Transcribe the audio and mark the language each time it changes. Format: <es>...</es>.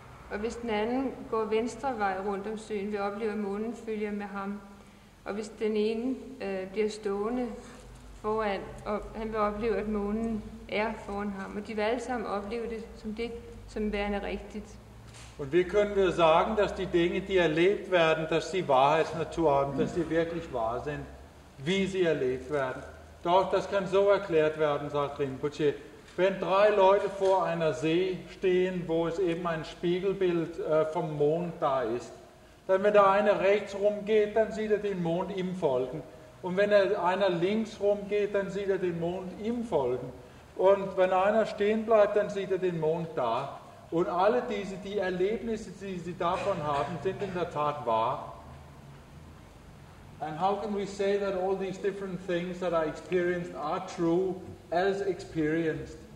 <da>Og hvis den anden går venstre vej rundt om søen, vil opleve, at månen følger med ham. Og hvis den ene bliver stående, foran, og han vil opleve, at månen er foran ham, og de vil alle sammen opleve det som det, som værende rigtigt.</da> <de>Und wie können wir sagen, dass die Dinge, die erlebt werden, dass sie Wahrheitsnatur haben, dass sie wirklich wahr sind, wie sie erlebt werden? Doch, das kann so erklärt werden, sagt Rinpoche. Wenn drei Leute vor einer See stehen, wo es eben ein Spiegelbild vom Mond da ist, dann wenn der eine rechts rumgeht, dann sieht er den Mond ihm folgen. Und wenn einer links rumgeht, dann sieht er den Mond ihm folgen. Und wenn einer stehen bleibt, dann sieht er den Mond da. Und alle diese, die Erlebnisse, die sie davon haben, sind in der Tat wahr.</de> <en>And how can we say that all these different things that are experienced are true as experienced?</en>